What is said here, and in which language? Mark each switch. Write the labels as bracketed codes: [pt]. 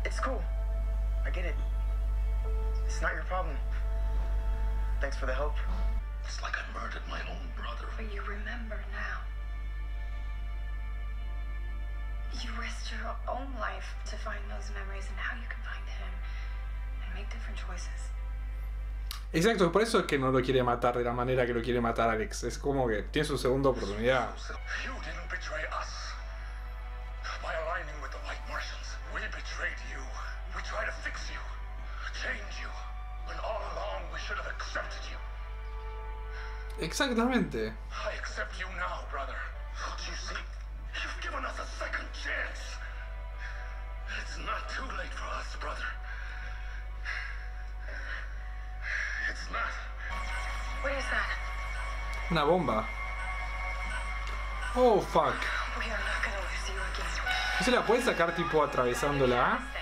[en] It's cool. I get it. It's not your problem. Thanks for the help. It's like I murdered my own brother. But you remember now. You risked your own life to find those memories, and now you can find him and make different choices. [es] Exacto, por eso es que no lo quiere matar de la manera que lo quiere matar Alex. Es como que tiene su segunda oportunidad. [en] You didn't betray us. By aligning with the White Martians, we betrayed you. We tried to fix you, change you, when all along we should have accepted you. [es] Exactamente. [en] I accept you now, brother. Don't you see? You've given us a second chance. It's not too late for us, brother. It's not. What is that? [es] Una bomba. [en] Oh, fuck. We are not gonna lose you again. [es] ¿No se la puede sacar tipo atravesándola?